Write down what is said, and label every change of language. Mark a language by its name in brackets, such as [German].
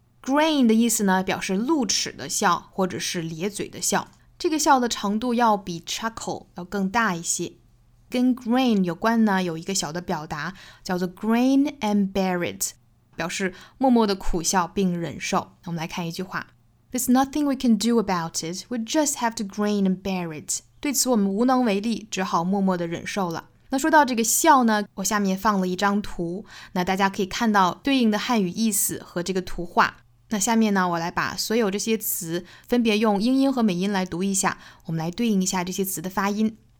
[Chinese] grin 的意思呢，表示露齿的笑或者是咧嘴的笑，这个笑的程度要比 chuckle 要更大一些。跟 grin 有关呢，有一个小的表达叫做 [English] grin and bear it。 [Chinese] 表示默默的苦笑并忍受。我们来看一句话 [English] There's nothing we can do about it. We just have to grin and bear it. [Chinese] 对此我们无能为力，只好默默的忍受了。那说到这个笑呢，我下面放了一张图，那大家可以看到对应的汉语意思和这个图画。那下面呢，我来把所有这些词分别用英音和美音来读一下，我们来对应一下这些词的发音。